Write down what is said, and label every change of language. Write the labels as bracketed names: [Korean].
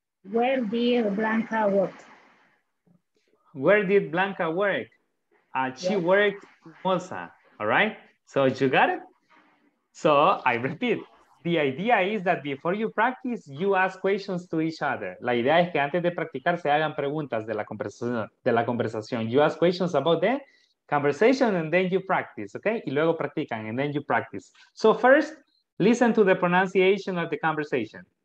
[English] Where did Blanca work? Where did Blanca work? She worked Monza, all right? So you got it? So I repeat, the idea is that before you practice, you ask questions to each other. [Spanish] La idea es que antes de practicar, se hagan preguntas de la conversación. [English] You ask questions about the conversation and then you practice, okay? [Spanish] Y luego practican [English] and then you practice. So first, listen to the pronunciation of the conversation.